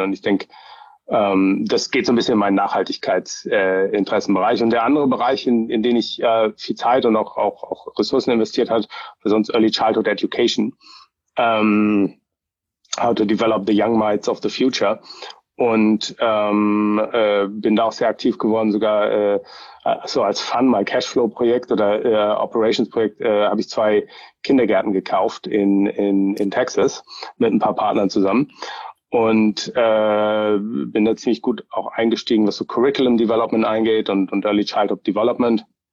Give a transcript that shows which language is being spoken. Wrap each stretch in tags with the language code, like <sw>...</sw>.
<de>Und ich denke, das geht so ein bisschen in meinen Nachhaltigkeitsinteressenbereich. Und der andere Bereich, in den ich viel Zeit und auch Ressourcen investiert hat, war sonst Early Childhood Education.</de> <en>How to develop the young minds of the future.</en> <de>Und bin da auch sehr aktiv geworden, sogar so als Fun, mal Cashflow-Projekt oder Operations-Projekt, habe ich 2 Kindergärten gekauft in Texas mit ein paar Partnern zusammen. Und bin da ziemlich gut auch eingestiegen, was so Curriculum Development angeht und Early Childhood Development.</de>